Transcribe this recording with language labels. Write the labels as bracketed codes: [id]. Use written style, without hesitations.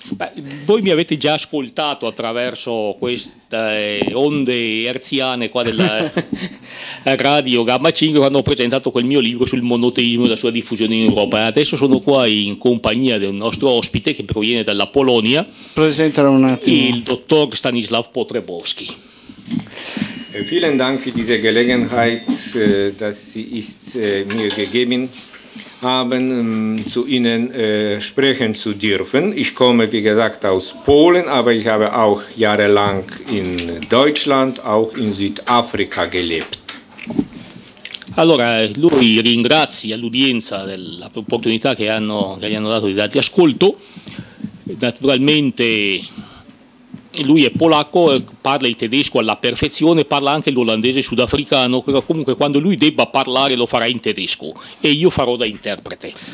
[it] Beh, voi mi avete già ascoltato attraverso queste onde erziane qua della radio Gamma 5 quando ho presentato quel mio libro sul monoteismo e la sua diffusione in Europa. Adesso sono qua in compagnia del nostro ospite che proviene dalla Polonia. Presentalo un attimo. Il dottor Stanislav Potrebowski. [de] Vielen Dank für diese Gelegenheit, dass sie ist mir gegeben. Haben zu Ihnen sprechen zu dürfen. Ich komme, wie gesagt, aus Polen, aber ich habe auch jahrelang in Deutschland, auch in Südafrika gelebt. [it] Allora, lui ringrazia l'udienza dell'opportunità che gli hanno dato di darti ascolto. Naturalmente lui è polacco, parla il tedesco alla perfezione, parla anche l'olandese sudafricano, però comunque quando lui debba parlare lo farà in tedesco e io farò da interprete.